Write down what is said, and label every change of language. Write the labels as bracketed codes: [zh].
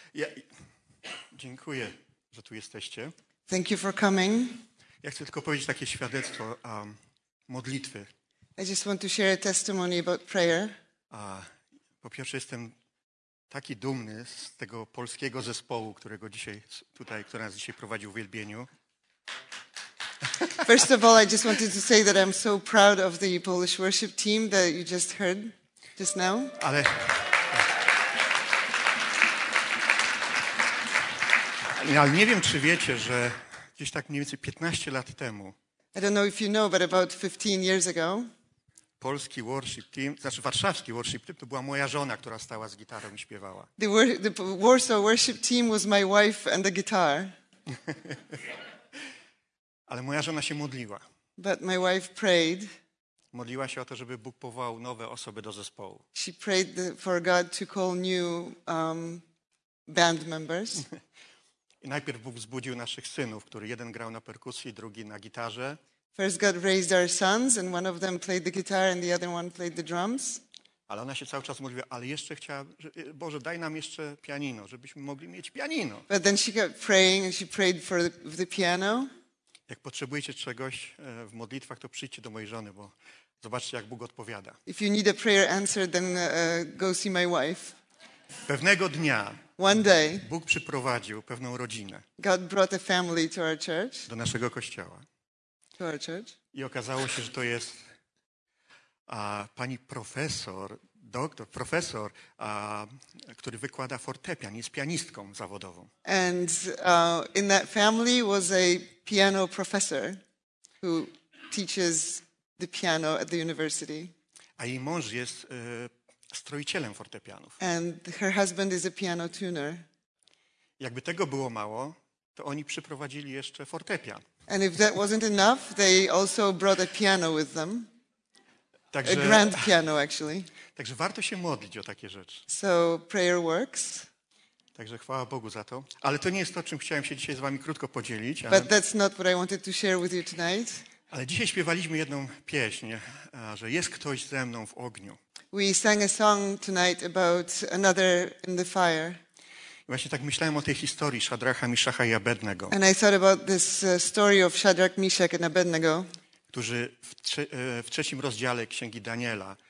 [pl] Ja, dziękuję, że tu jesteście. [en] Thank you for coming. [pl] Ja chcę tylko powiedzieć takie świadectwo modlitwy. [en] I just want to share a testimony about prayer. [pl] Po pierwsze, jestem taki dumny z tego polskiego zespołu, którego dzisiaj tutaj, który nas dzisiaj prowadzi w uwielbieniu. [en] First of all, I just wanted to say that I'm so proud of the Polish worship team that you just heard just now. [pl] Ale ja nie wiem, czy wiecie, że gdzieś tak mniej więcej 15 lat temu. [en] I don't know if you know, but about 15 years ago. [pl] Polski worship team, znaczy warszawski worship team, to była moja żona, która stała z gitarą i śpiewała. [en] The Warsaw worship team was my wife and the guitar. [pl] Ale moja żona się modliła. [en] But my wife prayed. [pl] Modliła się o to, żeby Bóg powołał nowe osoby do zespołu. [en] She prayed for God to call new band members. [pl] I najpierw Bóg wzbudził naszych synów, który jeden grał na perkusji, drugi na gitarze. [en] First God raised our sons and one of them played the guitar and the other one played the drums. [pl] Ale ona się cały czas mówiła, ale jeszcze chciała, Boże, daj nam jeszcze pianino, żebyśmy mogli mieć pianino. [en] But then she kept praying and she prayed for the piano. [pl] Jak potrzebujecie czegoś w modlitwach, to przyjdźcie do mojej żony, bo zobaczcie, jak Bóg odpowiada. [en] If you need a prayer answer, then go see my wife. [pl] Pewnego dnia [en] one day, [pl] Bóg przyprowadził pewną rodzinę [en] God brought a family to our church, [pl] do naszego kościoła. [en] To our church. [pl] I okazało się, że to jest pani profesor, doktor, profesor, który wykłada fortepian, jest pianistką zawodową. [en] And in that family was a piano professor who teaches the piano at the university. [pl] A jej mąż jest strojicielem fortepianów. [en] And her husband is a piano tuner. [pl] Jakby tego było mało, to oni przyprowadzili jeszcze fortepian. [en] And if that wasn't enough, they also brought a piano with them. [pl] Także, [en] a grand piano, actually. [pl] Także warto się modlić o takie rzeczy. [en] So prayer works. [pl] Także chwała Bogu za to. Ale to nie jest to, czym chciałem się dzisiaj z wami krótko podzielić. [en] But that's not what I wanted to share with you tonight. [pl] Ale dzisiaj śpiewaliśmy jedną pieśń, że jest ktoś ze mną w ogniu. [en] We sang a song tonight about another in the fire. [pl] I właśnie tak myślałem o tej historii Szadracha, Miszacha i Abednego. [en] And I thought about this story of Shadrach, Meshach and Abednego. [pl] Którzy w trzecim rozdziale Księgi Daniela.